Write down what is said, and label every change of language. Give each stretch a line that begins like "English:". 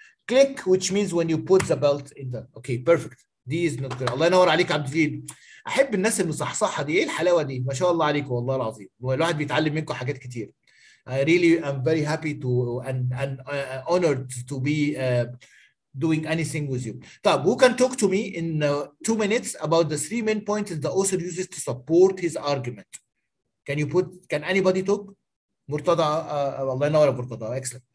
English: Click, which means when you put the belt in the. Okay, perfect. D is not correct.
Arabic: Allah ينور عليك عبدالجليل. أحب الناس المصحصحة دي. إيه الحلاوة دي؟ ما شاء الله عليك والله العظيم. الواحد بيتعلم منكم حاجات كتير.
English: I really am very happy to and honored to be doing anything with you. طب, who can talk to me in 2 minutes about the three main points the author uses to support his argument? Can anybody talk?
Arabic: مرتضى, الله ينور مرتضى, excellent.